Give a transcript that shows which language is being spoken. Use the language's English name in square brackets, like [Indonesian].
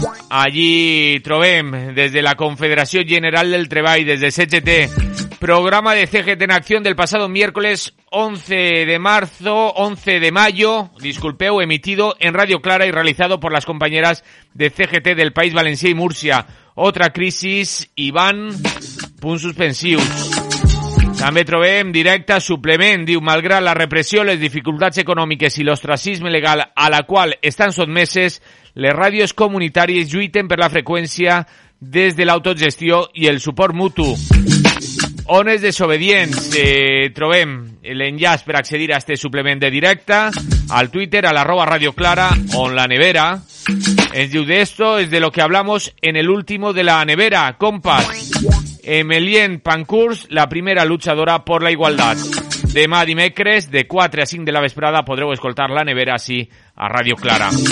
[Spanish] Allí [Catalan] trobem, des de la Confederació General del Treball, des de CGT, programa de CGT en acció [Spanish] del passado miércoles 11 de mayo, emitido en Radio Clara y realizado por las compañeras de CGT del País Valencià i Múrcia. Otra crisis, Iván, [Catalan] punt suspensiu. També trobem directa suplement, diu: malgrat la repressió, les dificultats econòmiques i l'ostracisme legal a la qual estan sotmeses, les ràdios comunitàries lluiten per la freqüència des de l'autogestió i el suport mutu. On és desobedients? Trobem l'enllaç per accedir a este suplement de directa al Twitter, a l'arroba Radio Clara, on la nevera ens diu: [Spanish] de esto es de lo que hablamos en el último de la nevera, compas. Emelien Pankhurst, la primera luchadora por la igualdad. [Catalan] Demà dimecres, de 4 a 5 de la vesprada, podreu escoltar la nevera així a Radio Clara.